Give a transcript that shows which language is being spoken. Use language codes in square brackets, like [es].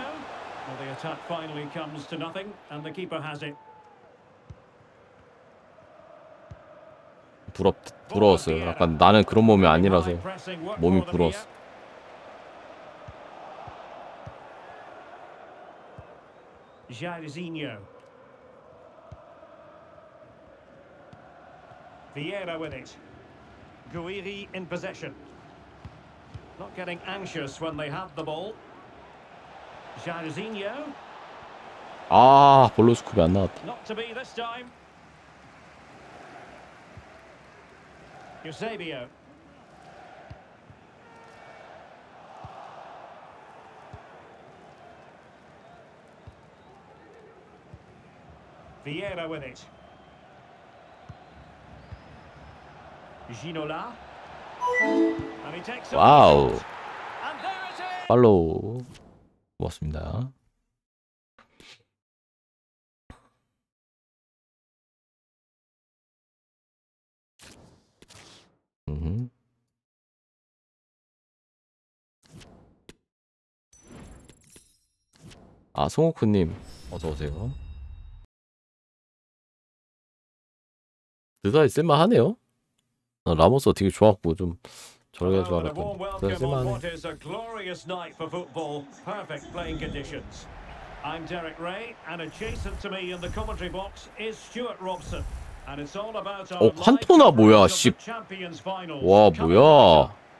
[en] Well, the attack finally comes to nothing, and the keeper has it. [ko] 부러웠어요. 약간 나는 그런 몸이 아니라서 몸이 부러웠어. [en] Jairzinho. Vieira with it. Guiri in possession. Not getting anxious when they have the ball. Jairzinho. [ko] Ah, 볼로 스쿱이 안 나왔다. [en] Not to be this time. Eusebio. Vieira with it. Ginola. And he takes a wow. Shot. [ko] 팔로우 고맙습니다. 아 송호쿠님 어서오세요. 드사이 쓸만하네요. 아, 라모스 되게 좋았고 좀 [en] And a warm welcome on what is a glorious night for football. Perfect playing conditions. I'm Derek Ray, and adjacent to me in the commentary box is Stuart Robson. And it's all about our live Champions Final. [ko] 와 뭐야?